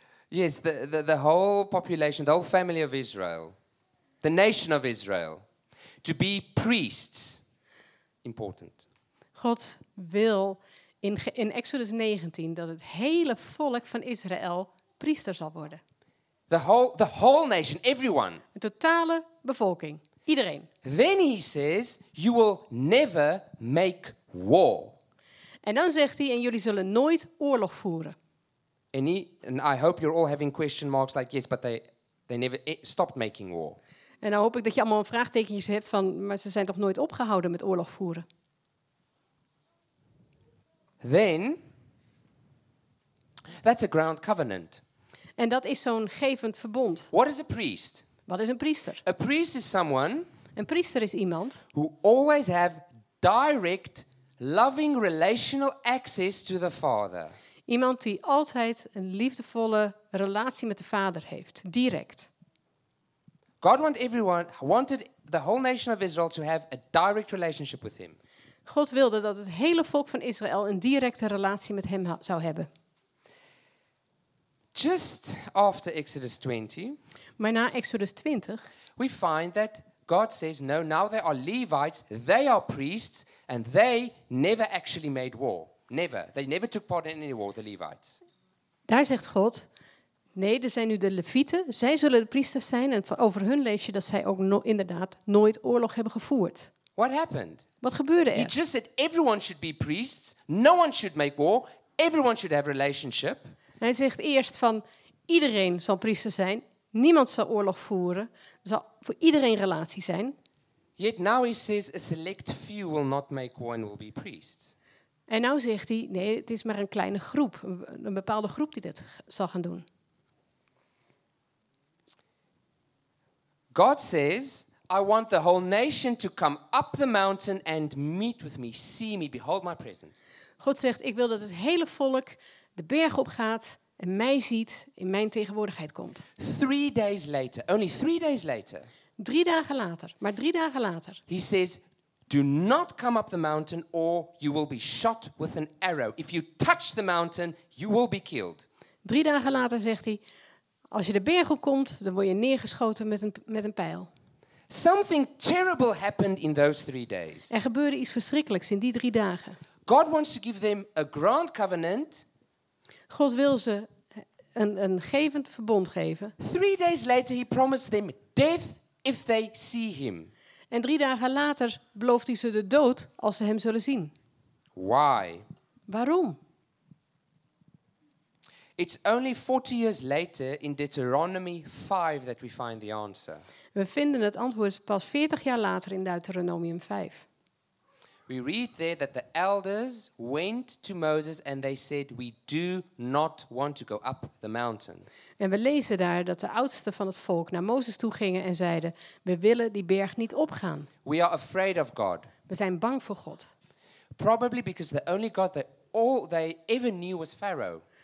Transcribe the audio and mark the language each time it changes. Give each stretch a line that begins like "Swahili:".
English: Yes, the whole population, the whole family of Israel, the nation of Israel, to be priests. Important.
Dutch: God wil in Exodus 19 dat het hele volk van Israël priester zal worden.
English: The whole nation, everyone.
Dutch: De totale bevolking, iedereen.
English: Then he says, you will never make war.
Dutch: En dan zegt hij, en jullie zullen nooit oorlog voeren.
English: And I hope you're all having question marks like yes, but they never stopped making war.
Dutch: En dan hoop ik dat je allemaal een vraagtekentje hebt van, maar ze zijn toch nooit opgehouden met oorlog voeren.
English: Then that's a ground covenant.
Dutch: En dat is zo'n gevend verbond.
English: What is a priest?
Dutch: Wat is een priester?
English: A priest is someone.
Dutch: Een priester is iemand.
English: Who always have direct, loving, relational access to the Father.
Dutch: Iemand die altijd een liefdevolle relatie met de Vader heeft, direct.
English: God want everyone wanted the whole nation of Israel to have a direct relationship with Him.
Dutch: God wilde dat het hele volk van Israël een directe relatie met Hem zou hebben.
English: Just after Exodus 20,
Dutch: maar na Exodus 20,
English: we find that God says, no, now they are Levites, they are priests, and they never actually made war. Never. They never took part in any war, the Levites.
Dutch: Daar zegt God, nee, er zijn nu de Levieten, zij zullen de priesters zijn, en over hun lees je dat zij ook inderdaad nooit oorlog hebben gevoerd.
English: What happened?
Dutch: Wat gebeurde er?
English: He just said everyone should be priests, no one should make war, everyone should have relationship.
Dutch: Hij zegt eerst van, iedereen zal priester zijn, niemand zal oorlog voeren, zal voor iedereen relatie zijn.
English: Yet now he says a select few will not make war and will be priests.
Dutch: En nou zegt hij, nee, het is maar een kleine groep, een bepaalde groep die dat zal gaan doen.
English: God says, I want the whole nation to come up the mountain and meet with me, see me, behold my presence.
Dutch: God zegt, ik wil dat het hele volk de berg op gaat en mij ziet, in mijn tegenwoordigheid komt.
English: 3 days later, only 3 days later.
Dutch: 3 dagen later, maar 3 dagen later.
English: He says, do not come up the mountain or you will be shot with an arrow. If you touch the mountain, you will be killed.
Dutch: 3 dagen later zegt hij, als je de berg op komt, dan word je neergeschoten met een pijl.
English: Something terrible happened in those 3 days.
Dutch: Er gebeurde iets verschrikkelijks in die 3 dagen.
English: God wants to give them a grand covenant.
Dutch: God wil ze een gevend verbond geven.
English: 3 days later he promised them death if they see him.
Dutch: En 3 dagen later belooft hij ze de dood als ze hem zullen zien.
English: Why?
Dutch: Waarom?
English: It's only 40 years later in Deuteronomy 5 that we find the answer.
Dutch: We vinden het antwoord pas 40 jaar later in Deuteronomium 5.
English: We read there that the elders went to Moses and they said, we do not want to go up the mountain.
Dutch: En we lezen daar dat de oudsten van het volk naar Mozes toe gingen en zeiden, we willen die berg niet opgaan.
English: We are afraid of God.
Dutch: We zijn bang voor God.
English: Probably because the only God that all they ever knew was Pharaoh.